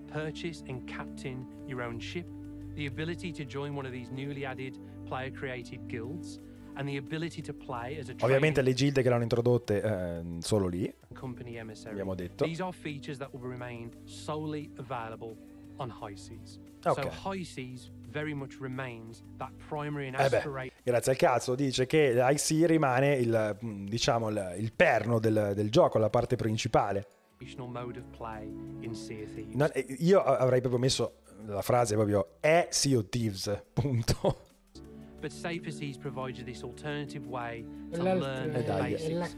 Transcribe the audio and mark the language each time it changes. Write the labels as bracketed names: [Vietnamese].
[English] Purchase and captain your own ship, the ability to join one of these newly added player created guilds, and the ability to play as a trader. [Italian] Ovviamente le gilde che l'hanno introdotte solo lì. [English] Company emissary. [Italian] Abbiamo detto. [English] These are features that will remain solely available on High Seas. Okay. So High Seas very much remains that primary and aspirate. [Italian] Grazie al cazzo, dice che High Sea rimane il, diciamo, il perno del gioco, la parte principale. [English] Mode of play in Sea of Thieves. [Italian] No, io avrei proprio messo la frase proprio è Sea of Thieves, punto. [English] But Safer Seas provides this alternative way to learn the basics.